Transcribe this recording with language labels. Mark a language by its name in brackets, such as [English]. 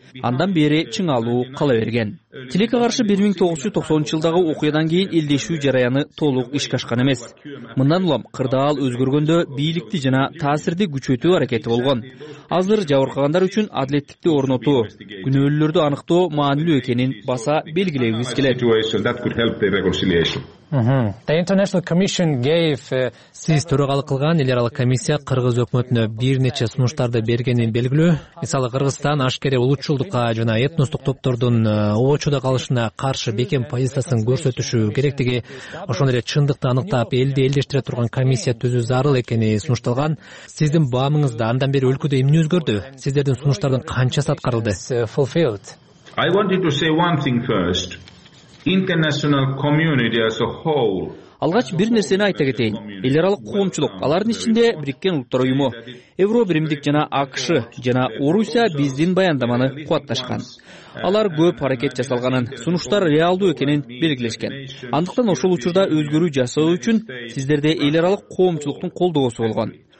[Kyrgyz] Андан бери чыңалуу кала берген. Тилекке каршы 1990-жылдагы окуядан кийин элдешүү жараяны толук ишке ашкан эмес. Мындан улам кырдаал өзгөргөндө бийликти жана таасирди күчөтүү аракети болгон. Азыр жабыркагандар үчүн адилеттикти орнотуу, күнөөлүүлөрдү аныктоо маанилүү экенин баса белгилегибиз келет. [English] The International Commission gave [Kyrgyz] Сиз төрагалык кылган эл аралык комиссия кыргыз өкмөтүнө бир нече сунуштарды бергени белгилүү. Мисалы, Кыргызстан ашкере улутчулдукка жана этностук топтордун обочудо калышына каршы бекем позициясын көрсөтүшү керектиги, ошондой эле чындыкты аныктап, элди элдештире турган комиссия түзүү зарыл экени сунушталган. Сиздин баамыңызда андан бери өлкөдө эмне өзгөрдү? Сиздердин сунуштардын канчасы аткарылды? [English] I wanted to say one thing first. International community as a whole. [Kyrgyz] Алгач бир нерсени айта кетейин. Эл аралык коомчулук, алардын ичинде Бириккен Улуттар Уюму, Европа Биримдик жана АКШ жана Орусия биздин баяндаманы кубатташкан. Алар көп аракет жасалганын, сунуштар реалдуу экенин белгилешкен. Андыктан ошол учурда өзгөрүү жасоо үчүн сиздерде эл аралык коомчулуктун колдоосу болгон.